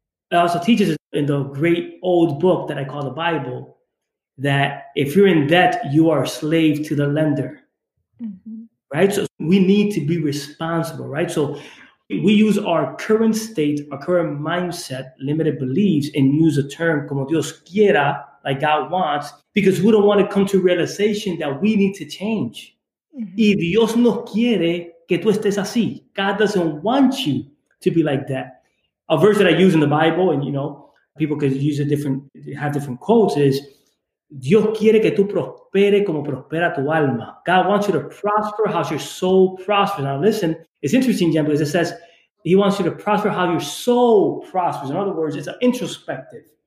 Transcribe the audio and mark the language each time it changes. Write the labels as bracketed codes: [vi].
[en] It also teaches in the great old book that I call the Bible that if you're in debt, you are a slave to the lender, right? So we need to be responsible, right? So we use our current state, our current mindset, limited beliefs, and use the term [es] como Dios quiera, [en] like God wants, because we don't want to come to realization that we need to change. [es] Mm-hmm. Y Dios no quiere que tú estés así. [en] God doesn't want you to be like that. A verse that I use in the Bible, and you know, people could use a different, have different quotes, is [es] Dios quiere que tú prospere como prospera tu alma. [en] God wants you to prosper how your soul prospers. Now listen, it's interesting, Jen, because it says he wants you to prosper how your soul prospers. In other words, it's an introspective.